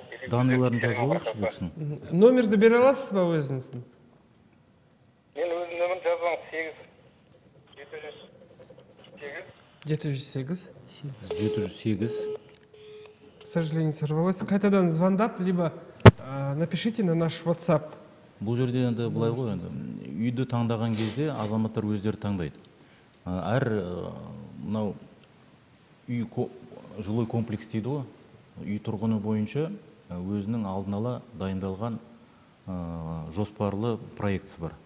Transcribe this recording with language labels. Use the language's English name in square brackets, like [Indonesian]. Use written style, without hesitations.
[Kazakh] Данныйларын жазып алыңызшы бұл кісіні. Номерді бере аласыз ба өзіңіздің? Мен өзім нөмірімді жазбаймын. 708. 708. [Russian] К сожалению, сорвалось. [Kazakh] Қайтадан звондап, [Russian] либо напишите на наш WhatsApp. [Kazakh] Бұл жерде енді былай ғой енді. Үйді таңдаған кезде азаматтар өздері таңдайды. Әр мынау үй жылой комплекс дейді ғой. Үй тұрғыны бойынша өзінің алдын ала дайындалған жоспарлы проектісі бар.